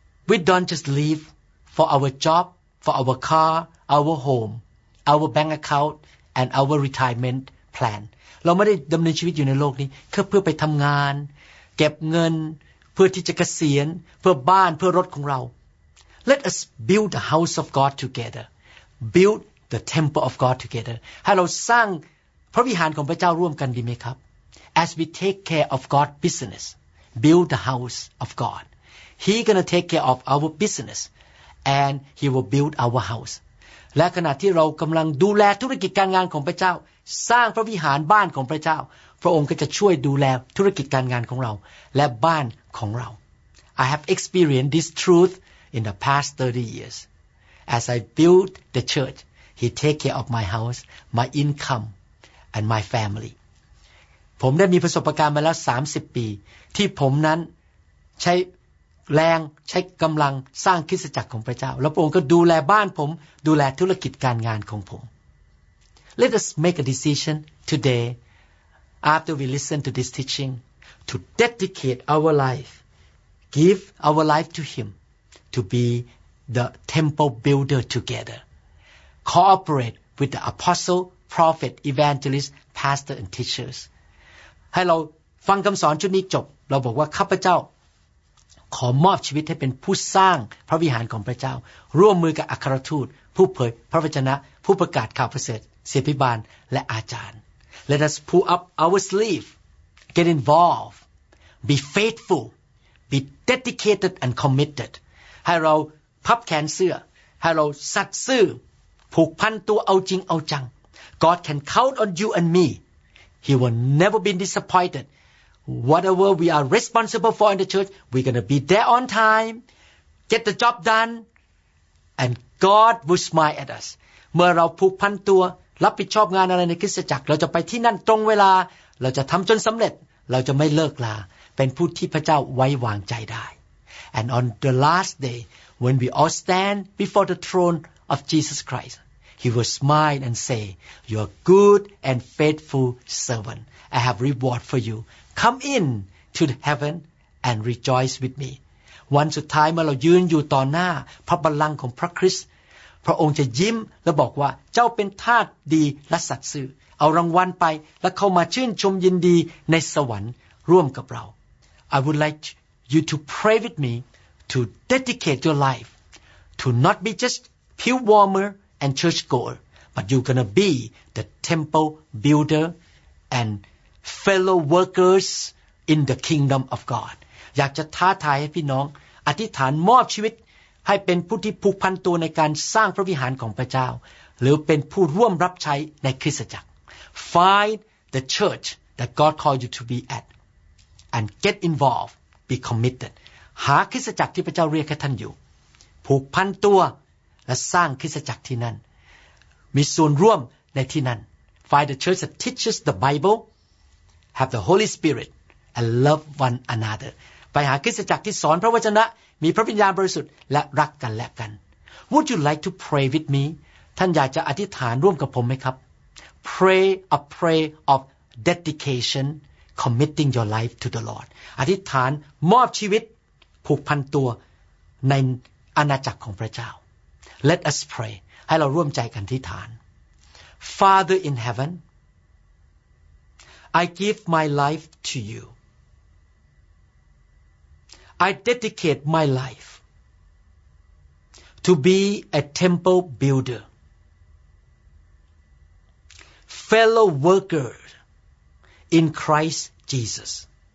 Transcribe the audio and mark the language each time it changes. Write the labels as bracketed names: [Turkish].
[English] We don't just live for our job, for our car, our home, our bank account, and our retirement plan [Thai] เราไม่ได้ดำเนินชีวิตอยู่ในโลกนี้แค่เพื่อไปทำงานเก็บเงินเพื่อที่จะเกษียณเพื่อบ้านเพื่อรถของเรา [English] Let us build the house of God together. Build the temple of God together. [Thai] ให้เราสร้างพระวิหารของพระเจ้าร่วมกันดีไหมครับ [English] As we take care of God's business, build the house of God. He gonna take care of our business, and He will build our house. [Thai] และขณะที่เรากำลังดูแลธุรกิจการงานของพระเจ้าสร้างพระวิหารบ้านของพระเจ้าพระองค์ก็จะช่วยดูแลธุรกิจการงานของเราและบ้านของเรา [English] I have experienced this truth in the past 30 years. As I built the church, he take care of my house, my income, and my family. [Thai] ผมได้มีประสบการณ์มาแล้ว30ปีที่ผมนั้นใช้แรงใช้กำลังสร้างคริสตจักรของพระเจ้าแล้วพระองค์ก็ดูแลบ้านผมดูแลธุรกิจการงานของผม [English] Let us make a decision todayAfter we listen to this teaching, to dedicate our life, give our life to Him, to be the temple builder together. Cooperate with the apostle, prophet, evangelist, pastor, and teachers. [Thai] ให้เราฟังคำสอนชุดนี้จบเราบอกว่าข้าพเจ้าขอมอบชีวิตให้เป็นผู้สร้างพระวิหารของพระเจ้าร่วมมือกับอัครทูตผู้เผยพระวจนะผู้ประกาศข่าวประเสริฐศิษยาภิบาลและอาจารย์ [English] Let us pull up our sleeve, get involved, be faithful, be dedicated and committed. [Thai] ให้เราพับแขนเสื้อให้เราสัตย์ซื่อผูกพันตัวเอาจริงเอาจัง [English] God can count on you and me. He will never be disappointed. Whatever we are responsible for in the church, we're going to be there on time, get the job done, and God will smile at us. [Thai] เมื่อเราผูกพันตัวรับผิดชอบงานอะไรในคริสตจักรเราจะไปที่นั่นตรงเวลาเราจะทำจนสำเร็จเราจะไม่เลิกลาเป็นผู้ที่พระเจ้าไว้วางใจได้ [English] And on the last day when we all stand before the throne of Jesus Christ he will smile and say you are good and faithful servant I have reward for you come in to the heaven and rejoice with me [Thai] วันสุดท้ายเมื่อเรายืนอยู่ต่อหน้าพระบัลลังก์ของพระคริสต์พระองค์จะยิ้มแล้วบอกว่าเจ้าเป็นทาสดีและสัตย์ซื่อเอารางวัลไปแล้วเข้ามาชื่นชมยินดีในสวรรค์ร่วมกับเรา [English] I would like you to pray with me to dedicate your life to not be just pew warmer and church goer but you're going to be the temple builder and fellow workers in the kingdom of God [Thai] อยากจะท้าทายให้พี่น้องอธิษฐานมอบชีวิตให้เป็นผู้ที่ผูกพันตัวในการสร้างพระวิหารของพระเจ้าหรือเป็นผู้ร่วมรับใช้ในคริสตจักร [English] Find the church that God called you to be at and get involved, be committed. [Thai] หาคริสตจักรที่พระเจ้าเรียกให้ท่านอยู่ผูกพันตัวและสร้างคริสตจักรที่นั่นมีส่วนร่วมในที่นั่น [English] Find the church that teaches the Bible, have the Holy Spirit, and love one another. [Thai] ไปหาคริสตจักรที่สอนพระวจนะมีพระวิญญาณบริสุทธิ์และรักกันแลกกัน [English] Would you like to pray with me? [Thai] ท่านอยากจะอธิษฐานร่วมกับผมไหมครับ [English] Pray a prayer of dedication, committing your life to the Lord. [Thai] อธิษฐานมอบชีวิตผูกพันตัวในอาณาจักรของพระเจ้า [English] Let us pray. [Thai] ให้เราร่วมใจกันอธิษฐาน [English] Father in heaven, I give my life to you. I dedicate my life to be a temple builder, fellow worker in Christ Jesus.